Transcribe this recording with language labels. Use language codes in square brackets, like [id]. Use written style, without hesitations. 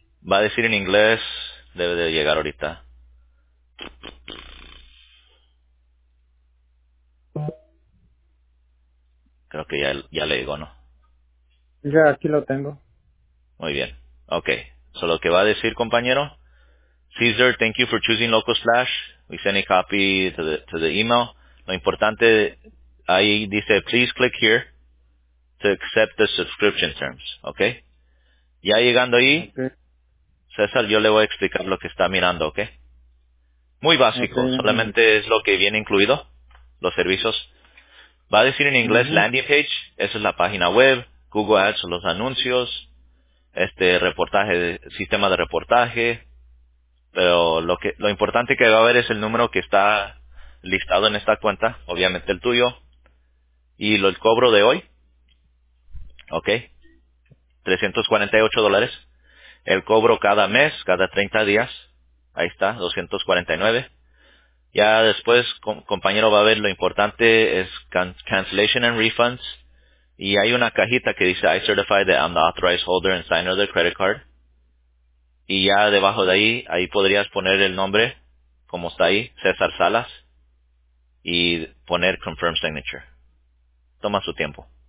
[es] Va a decir en inglés, debe de llegar ahorita. Creo que ya le digo, ¿no? Ya, aquí lo tengo. Muy bien. Ok. So, lo que va a decir, compañero. [en] Caesar, thank you for choosing LocoSlash. We send a copy to the email. [es] Lo importante, ahí dice, [en] please click here to accept the subscription terms. [es] Ok. Ya llegando ahí, okay. César, yo le voy a explicar lo que está mirando, ¿ok? Muy básico. Okay. Solamente es lo que viene incluido, los servicios. Va a decir en inglés landing page, esa es la página web, Google Ads, los anuncios, reportaje, sistema de reportaje, pero lo importante que va a ver es el número que está listado en esta cuenta, obviamente el tuyo, y el cobro de hoy, ok, $348, el cobro cada mes, cada 30 días, ahí está, $249. Ya después, compañero, va a ver lo importante es [en] cancellation and refunds. [es] Y hay una cajita que dice, [en] I certify that I'm the authorized holder and signer of the credit card. [es] Y ya debajo de ahí podrías poner el nombre, como está ahí, César Salas. Y poner [en] confirm signature. [es] Toma su tiempo.